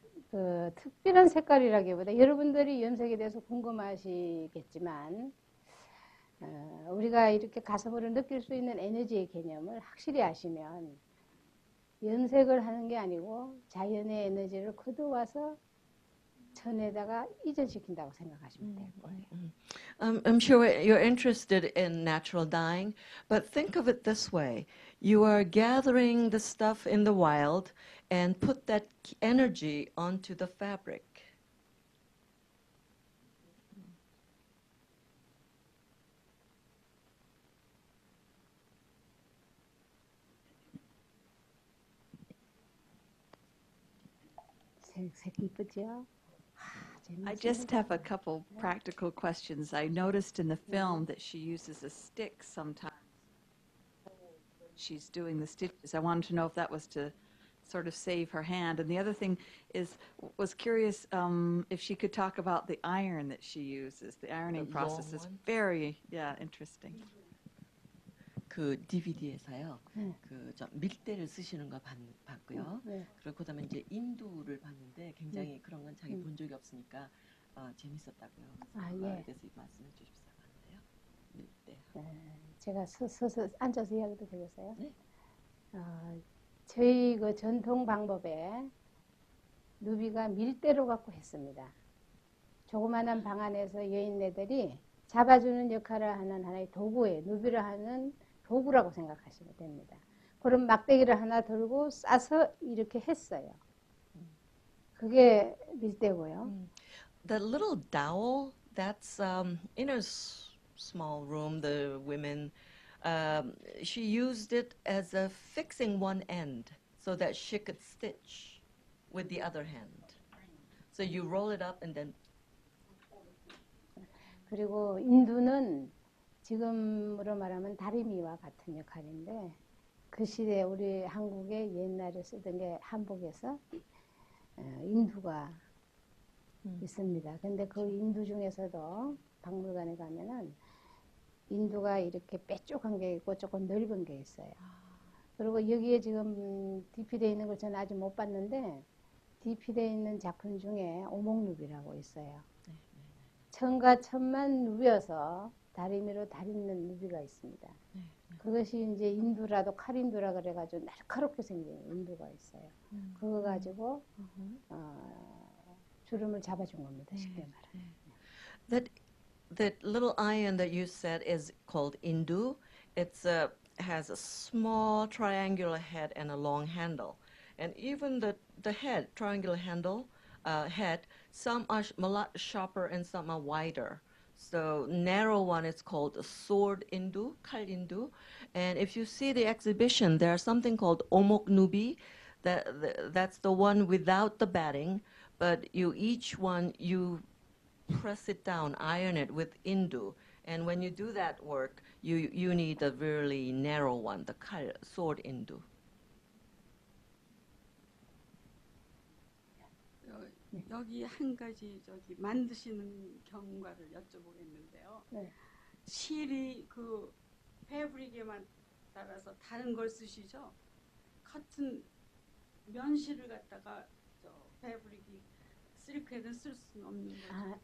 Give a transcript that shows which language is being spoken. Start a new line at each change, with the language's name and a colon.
Korean: 그 특별한 색깔이라기보다 여러분들이 염색에 대해서 궁금하시겠지만 우리가 이렇게 가슴으로 느낄 수 있는 에너지의 개념을 확실히 아시면 염색을 하는 게 아니고 자연의 에너지를 거두어와서 천에다가 이전시킨다고 생각하시면 될 거예요.
English: I'm sure you're interested in natural dyeing, but think of it this way. You are gathering the stuff in the wild and put that energy onto the fabric.
Korean: 색 이쁘죠?
English: I just have a couple practical questions. I noticed in the film that she uses a stick sometimes when she's doing the stitches. I wanted to know if that was to sort of save her hand. And the other thing is, was curious if she could talk about the iron that she uses. The ironing the process is very, yeah, interesting.
Korean: 그 DVD에서요. 그 좀 밀대를 쓰시는 거 봤고요. 그리고 그다음에 이제 인두를 봤는데 굉장히 그런 건 자기 본 적이 없으니까 재밌었다고요. 그거에 대해서 말씀해 주십사 같아요. 밀대. 제가 서서 앉아서 이야기도 되겠어요? 네. 저희 그 전통 방법에 누비가 밀대로 갖고 했습니다. 조그마한 방 안에서 여인네들이 잡아주는 역할을 하는 하나의 도구에 누비를 하는 도구라고 생각하시면 됩니다. 그런 막대기를 하나 들고 싸서 이렇게 했어요. 그게 밀대고요.
English: The little dowel, that's in a small room, the women, she used it as a fixing one end so that she could stitch with the other hand. So you roll it up and then...
Korean: 그리고 인두는 지금으로 말하면 다리미와 같은 역할인데 그 시대 우리 한국의 옛날에 쓰던 게 한복에서 인두가 있습니다. 근데 그 인두 중에서도 박물관에 가면은 인두가 이렇게 뾰족한 게 있고 조금 넓은 게 있어요. 그리고 여기에 지금 DP되어 있는 걸 저는 아직 못 봤는데 DP되어 있는 작품 중에 오목누비라고 있어요. 천과 천만 누비여서 다리미로 다리는 누비가 있습니다. 그것이 이제 인두라도 칼인두라 그래가지고 날카롭게 생긴 인두가 있어요. 그거 가지고 주름을 잡아준 겁니다. 쉽게 말하면.
English: That little iron that you said is called indu. It's a has a small triangular head and a long handle. And even the head triangular handle head some are a lot sharper and some are wider. So narrow one is called a sword indu, kal indu. And if you see the exhibition, there is something called omok nubi. That's the one without the batting, but you each one, you press it down, iron it with indu. And when you do that work, you need a really narrow one, the kal, sword indu.
Korean: 여기 한 가지 저기 만드시는 경과를 여쭤보겠는데요. 네. 실이 그 패브릭에만 따라서 다른 걸 쓰시죠? 커튼 면실을 갖다가 저 패브릭이 실크에는 쓸 수는 없는 거죠.